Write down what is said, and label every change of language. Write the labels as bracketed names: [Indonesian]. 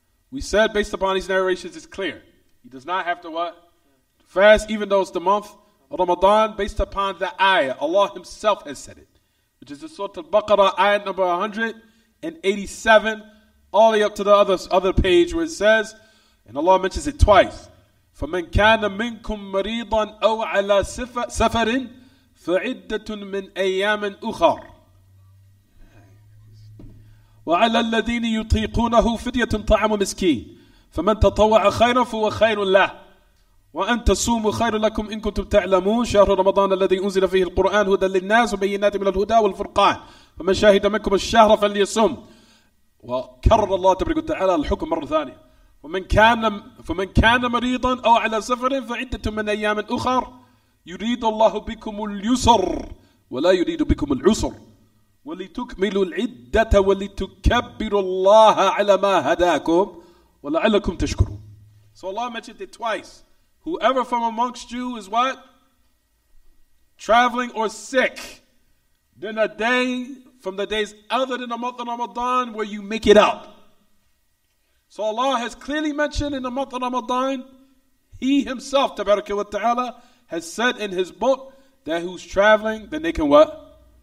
[English] We said, based upon these narrations, it's clear. He does not have to what? Fast, even though it's the month of Ramadan, based upon the ayah. Allah himself has said it. Which is the Surah Al-Baqarah, ayah number 187, all the way up to the other page where it says, and Allah mentions it twice. [Arabic] فَمَنْ كَانَ مِنْكُمْ مَرِيضًا أَوْ عَلَى سَفَرٍ فَعِدَّةٌ مِنْ أَيَّامٍ أُخَرٍ وَعَلَى الَّذِينِ يُطِيقُونَهُ فِدْيَةٌ طَعَمُ مِسْكِينٍ فَمَنْ تَطَوَّعَ خَيْرًا فَهُوَ خَيْرٌ لَهُ وَأَنْ تَصُومُوا خَيْرٌ لَكُمْ إِنْ كُنْتُمْ تَعْلَمُونَ شهر رمضان الذي أنزل فيه القرآن هدى للناس وبينات من الهدى والفرقان فمن شاهد منكم الشهر فليصم وكرر الله تبارك وتعالى الحكم مرة ثانية فمن كان مريضا أو على سفر فعدة من أيام أخر يريد الله بكم اليسر ولا يريد بكم العسر ولتكملوا العدة ولتكبروا الله على ما هداكم ولعلكم تشكرون. [English] So Allah mentioned it twice. Whoever from amongst you is what? Traveling or sick. Then a day from the days other than the month of Ramadan where you make it up. So Allah has clearly mentioned in the month of Ramadan, He Himself, Tabaraka wa Ta'ala, has said in His book that who's traveling, then they can what?